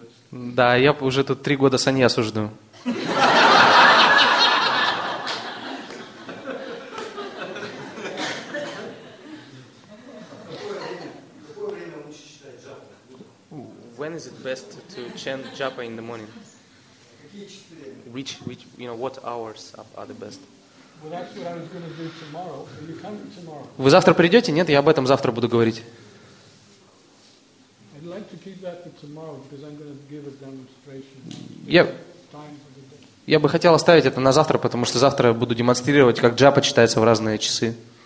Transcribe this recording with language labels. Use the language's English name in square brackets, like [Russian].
[Russian] Да, я уже тут 3 года саньясу жду. [English] When is it best to chant japa in the morning? Which you know what hours are the best? Well, that's what I was going to do tomorrow. Are you coming tomorrow? [Russian] Вы завтра придете? Нет, я об этом завтра буду говорить. [English] I'd like to keep that for tomorrow because I'm going to give a demonstration. [Russian] Я бы хотел оставить это на завтра, потому что завтра я буду демонстрировать, как джапа читается в разные часы.